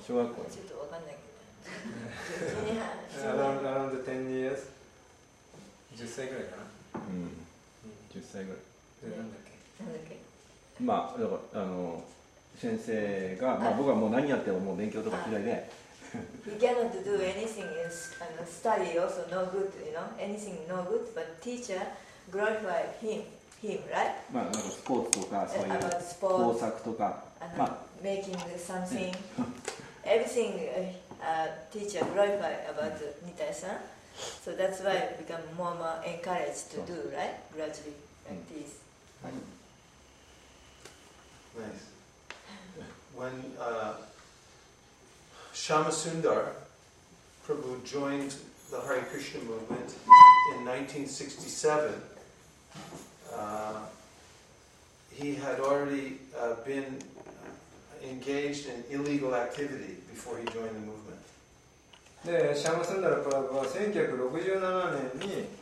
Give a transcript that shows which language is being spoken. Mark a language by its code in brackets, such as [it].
[ja] ちょっと分かんないけど、ジュニア [en] ハイスクールタイム、アラウンド10 years、 [ja] 10歳ぐらいかな、 10歳ぐらい。なんだっけ。まあ、だから先生が、まあ、僕はもう何やってももう勉強とか嫌いで。 [en] You cannot do anything in study also no good, you know? Anything no good, but teacher glorify him, right? [ja] まあ、なんかスポーツとか、そういう工作とか。ま [en] あ、making something. Everything teacher glorify about Nitai-san. So that's why I become more encouraged to do, right? Gradually, like this. Nice. When Shama Sundar Prabhu joined the Hare Krishna movement in 1967, he had already been engaged in illegal activity before he joined the movement. [ja] で、シャマスンダラプラブは1967年に、